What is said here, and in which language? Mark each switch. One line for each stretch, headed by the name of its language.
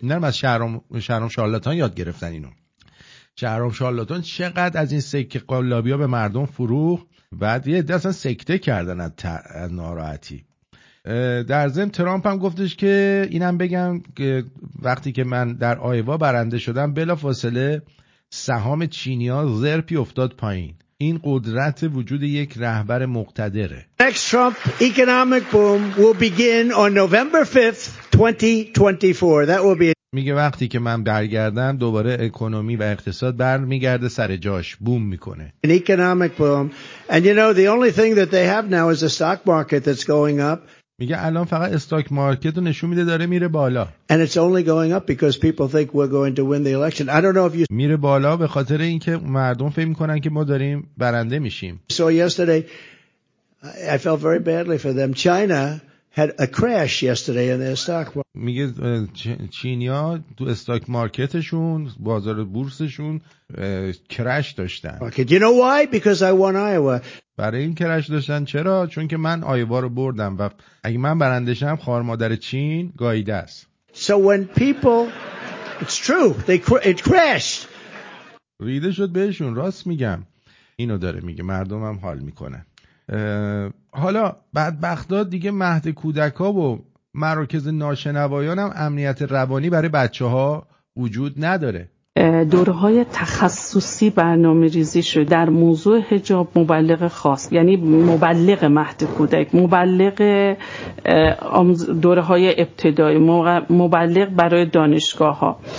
Persian: این هم از شهرام شارلاتان یاد گرفتن اینو. شهرام شارلاتان چقدر از این سکه قلابی ها به مردم فروخ، بعد یه دست سکته کردن از ناراحتی. در ضمن ترامپ هم گفتش که اینم بگم که وقتی که من در آیوا برنده شدم بلافاصله سهام چینی ها زرپی افتاد پایین. این قدرت وجود یک رهبر مقتدره.
English: Next Trump economic boom will begin on November 5th, 2024. That will be.
Persian: میگه وقتی که من برگردم دوباره اکونومی و اقتصاد برمیگرده سر جاش، بوم میکنه.
English: An economic boom, and you know the only thing that they have now is a stock market that's going up.
Persian: میگه الان فقط استاک مارکت رو نشون میده داره میره بالا.
English: And it's only going up because people think we're going to win the election. I don't know if you.
Persian: میره بالا به خاطر اینکه مردم فکر میکنن که ما داریم برنده میشیم.
English: So yesterday I felt very badly for them. China had a crash yesterday in their stock market.
Persian: میگه چینیا تو استاک مارکتشون، بازار بورسشون کرش داشتن.
English: Okay. You know why? Because I won Iowa.
Persian: برای این کرش داشتن چرا؟ چون که من آیوا رو بردم و اگه من برنده شم خوار مادر چین گاییده است.
English: So when people, it's true, they it crashed.
Persian: ریده شد بهشون، راست میگم. اینو داره میگه، مردمم حال میکنه. حالا بدبختا دیگه مهد کودک ها و مراکز ناشنوایان هم امنیت روانی برای بچه ها وجود نداره. دوره‌های تخصصی برنامه‌ریزی شده در موضوع حجاب مبلغ خاص، یعنی مبلغ مهد کودک، مبلغ دوره‌های ابتدایی، مبلغ برای دانشگاه‌ها.